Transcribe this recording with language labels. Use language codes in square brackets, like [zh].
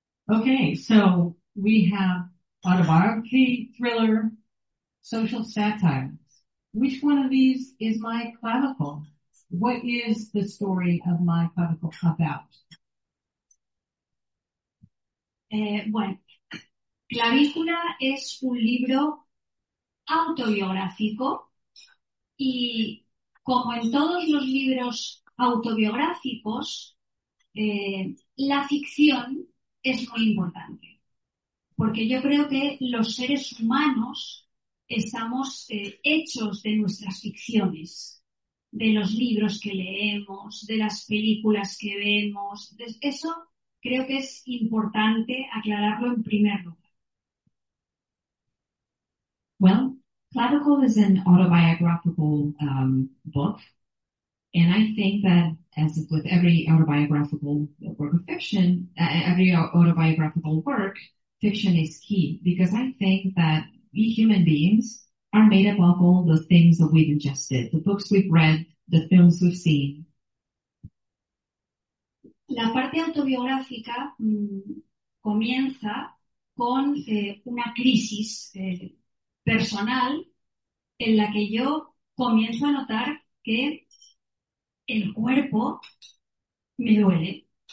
[en] Okay, so we have autobiography, thriller, social satire. Which one of these is my clavicle? What is the story of my clavicle about? [es] Bueno, Clavícula es un libro autobiográfico y como en todos los libros autobiográficos, la ficción es muy importante, porque yo creo que los seres humanos estamos hechos de nuestras ficciones, de los libros que leemos, de las películas que vemos. Entonces, eso creo que es importante aclararlo en primer lugar. [en] Well, Clavicle is an autobiographical book, and I think that as with every autobiographical work of fiction, every autobiographical work, fiction is key because I think that we human beings are made up of all the things that we've ingested, the books we've read, the films we've seen. [es] La parte autobiográfica comienza con una crisis personal en la que yo comienzo a notar que el cuerpo me duele.